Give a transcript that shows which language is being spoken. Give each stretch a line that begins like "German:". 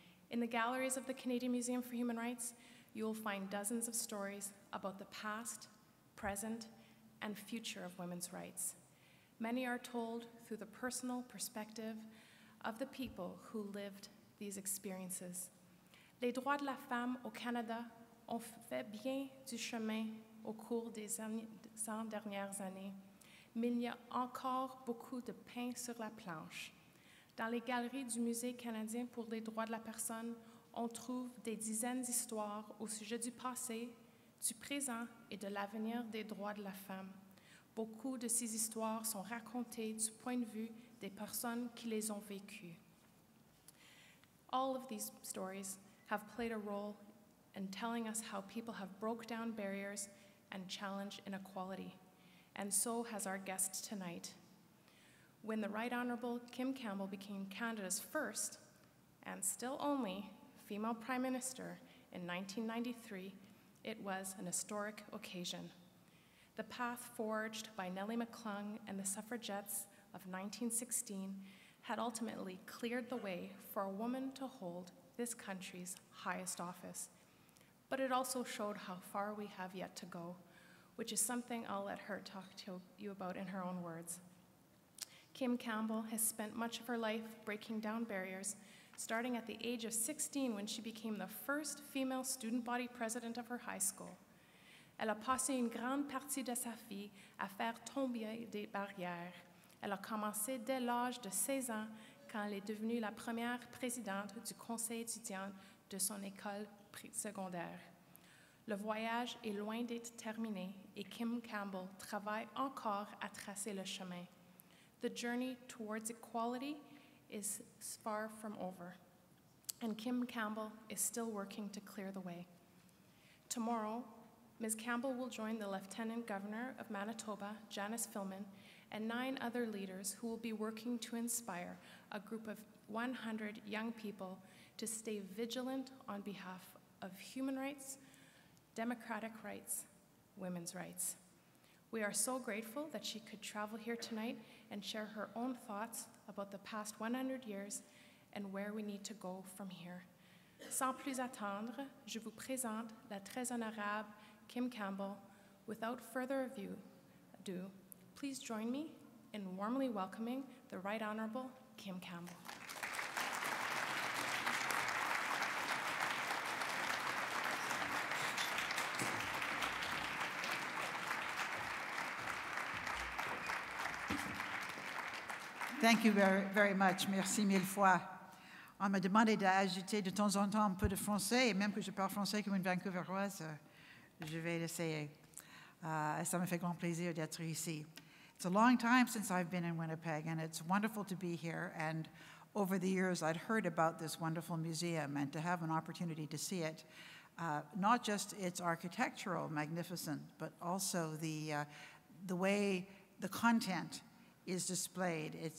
English: In the galleries of the Canadian Museum for Human Rights, you will find dozens of stories about the past, present, and future of women's rights. Many are told through the personal perspective of the people who lived these experiences.
French: Les droits de la femme au Canada ont fait bien du chemin au cours des 100 dernières années, mais il y a encore beaucoup de pain sur la planche. Dans les galeries du Musée canadien pour les droits de la personne, on trouve des dizaines d'histoires au sujet du passé, du présent et de l'avenir des droits de la femme. Beaucoup de ces histoires sont racontées du point de vue des personnes qui les ont vécues.
English: All of these stories have played a role in telling us how people have broke down barriers and challenged inequality. And so has our guest tonight. When the Right Honorable Kim Campbell became Canada's first, and still only, female Prime Minister in 1993, it was an historic occasion. The path forged by Nellie McClung and the suffragettes of 1916 had ultimately cleared the way for a woman to hold this country's highest office. But it also showed how far we have yet to go, which is something I'll let her talk to you about in her own words. Kim Campbell has spent much of her life breaking down barriers, starting at the age of 16 when she became the first female student body president of her high school.
French: Elle a passé une grande partie de sa vie à faire tomber des barrières. Elle a commencé dès l'âge de 16 ans quand elle est devenue la première présidente du conseil étudiant de son école secondaire. Le voyage est loin d'être terminé et Kim Campbell travaille encore à tracer le chemin.
English: The journey towards equality is far from over, and Kim Campbell is still working to clear the way. Tomorrow, Ms. Campbell will join the Lieutenant Governor of Manitoba, Janice Filmon, and 9 other leaders who will be working to inspire a group of 100 young people to stay vigilant on behalf of human rights, democratic rights, women's rights. We are so grateful that she could travel here tonight and share her own thoughts about the past 100 years and where we need to go from here.
French: Sans plus attendre, je vous présente la très honorable Kim Campbell.
English: Without further ado, please join me in warmly welcoming the Right Honorable Kim Campbell. Thank you very, very much.
French: Merci mille fois. On m'a demandé d'ajouter de temps en temps un peu de français, et même que je parle français comme une Vancouveroise, je vais l'essayer. Ça me fait grand plaisir d'être ici.
English: It's a long time since I've been in Winnipeg, and it's wonderful to be here. And over the years, I'd heard about this wonderful museum, and to have an opportunity to see it, not just its architectural magnificence, but also the way the content is displayed.